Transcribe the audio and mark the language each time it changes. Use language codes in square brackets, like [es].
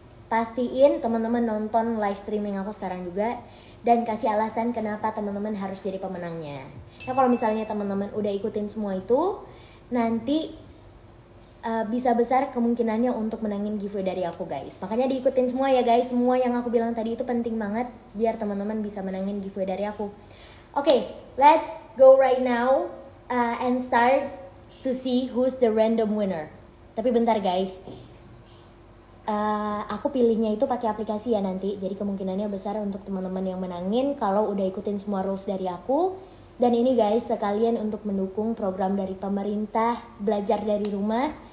[id] Pastiin teman-teman nonton live streaming aku sekarang juga dan kasih alasan kenapa teman-teman harus jadi pemenangnya. Ya kalau misalnya teman-teman udah ikutin semua itu, nanti bisa besar kemungkinannya untuk menangin giveaway dari aku guys. Makanya diikutin semua ya guys. Semua yang aku bilang tadi itu penting banget biar teman-teman bisa menangin giveaway dari aku. [en] Oke, okay, let's go right now and start to see who's the random winner. [id] Tapi bentar guys. Aku pilihnya itu pakai aplikasi ya nanti. Jadi kemungkinannya besar untuk teman-teman yang menangin kalau udah ikutin semua rules dari aku. Dan ini guys, sekalian untuk mendukung program dari pemerintah belajar dari rumah.